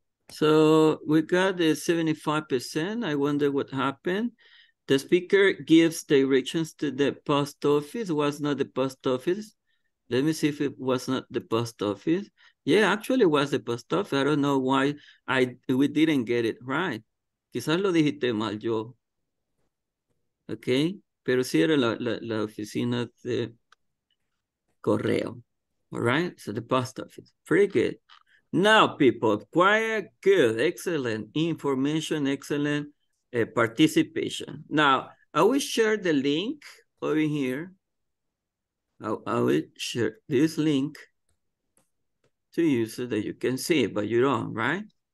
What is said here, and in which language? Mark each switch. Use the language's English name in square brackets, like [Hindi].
[English] So we got the 75%. I wonder what happened. The speaker gives directions to the post office. Was not the post office. Let me see if it was not the post office. Yeah, actually it was the post office. I don't know why we didn't get it right. [Spanish] Quizás lo dijiste mal yo. Okay, pero sí era la oficina de correo. [English] All right, so the post office, pretty good. Now people, quite good, excellent. Information, excellent participation. Now, I will share the link over here. I will share this link to you so that you can see it, but you don't, right?